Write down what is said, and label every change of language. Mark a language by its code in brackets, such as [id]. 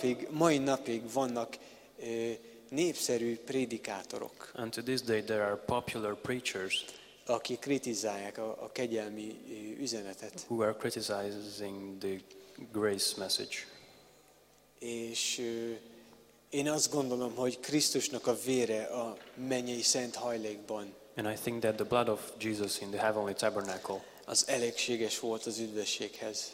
[hu] Mai napig vannak népszerű prédikátorok. [en] And to this day there are popular preachers. [hu] Akik kritizálják a kegyelmi üzenetet. [en] Who are criticizing the grace message. [hu] És én azt gondolom, hogy Krisztusnak a vére a mennyei szent hajlékban. [en] And I think that the blood of Jesus in the heavenly tabernacle. [hu] Az elégséges volt az üdvösséghez.